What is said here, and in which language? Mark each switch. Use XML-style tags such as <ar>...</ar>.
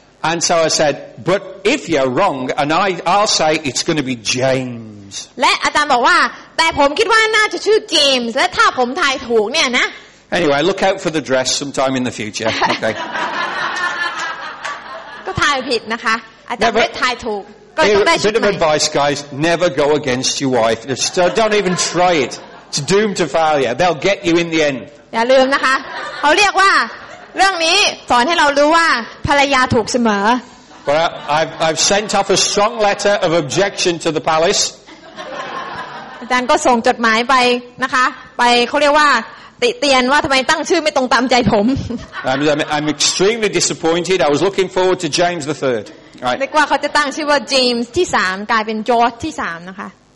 <en>And so I said, but if you're wrong, and I'll say it's going to be James.</en> <th>และอาจารย์บอกว่าแต่ผมคิดว่าน่าจะชื่อ James และถ้าผมทายถูกเนี่ยนะ</th> <en>Anyway, look out for the dress sometime in the future. Okay.</en> <th>ก็ทายผิดนะคะอาจารย์ไม่ทายถูกก็ต้องได้ใช่ไหม</th> <en>Bit of advice, guys. Never go against your wife. Just don't even try it. It's doomed to failure. They'll get you in the end.</en> <th>อย่าลืมนะคะเขาเรียกว่าเรื่องนี้สอนให้เรารู้ว่าภรรยาถูกเสมอ</th> <en>Well, I've sent off a strong letter of objection to the palace.</en> <th>อาจารย์ก็ส่งจดหมายไปนะคะไปเขาเรียกว่าติเตียนว่าทำไมตั้งชื่อไม่ตรงตามใจผม</th> <en>I'm extremely disappointed. I was looking forward to James the Third.</en> <th>นึกว่าเขาจะตั้งชื่อว่า James ที่สามกลายเป็น George ที่สามนะคะ</th>